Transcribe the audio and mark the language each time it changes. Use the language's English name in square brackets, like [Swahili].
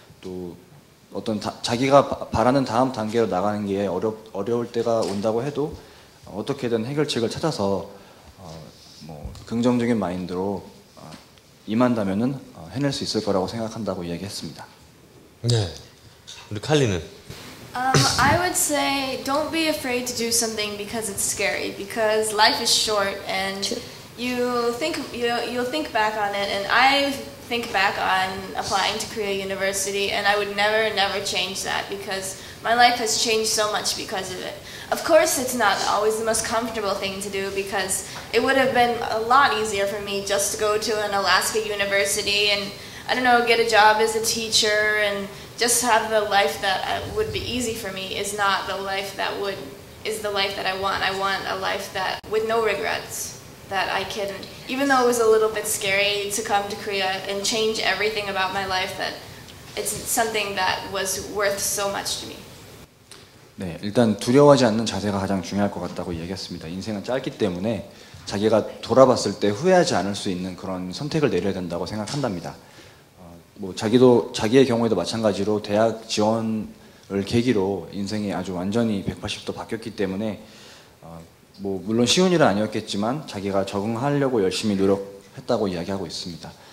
[Korean] 또 어떤 자기가 바라는 다음 단계로 나가는 게 어려울 때가 온다고 해도 어떻게든 해결책을 찾아서 긍정적인 마인드로 임한다면은 해낼 수 있을 거라고 생각한다고 이야기했습니다. 네, 우리 칼리는? [English] I would say don't be afraid to do something because it's scary because life is short and you'll think back on it and I think back on applying to Korea University and I would never, never change that because my life has changed so much because of it. Of course, it's not always the most comfortable thing to do because it would have been a lot easier for me just to go to an Alaska university and, I don't know, get a job as a teacher and just have the life that would be easy for me is not the life that is the life that I want. I want a life that with no regrets. That I can, even though it was a little bit scary to come to Korea and change everything about my life, that it's something that was worth so much to me. [Korean] 네, 일단 두려워하지 않는 자세가 가장 중요할 것 같다고 얘기했습니다. 인생은 짧기 때문에 자기가 돌아봤을 때 후회하지 않을 수 있는 그런 선택을 내려야 된다고 생각한답니다. 자기의 경우에도 마찬가지로 대학 지원을 계기로 인생이 아주 완전히 180도 바뀌었기 때문에 물론 쉬운 일은 아니었겠지만 자기가 적응하려고 열심히 노력했다고 이야기하고 있습니다.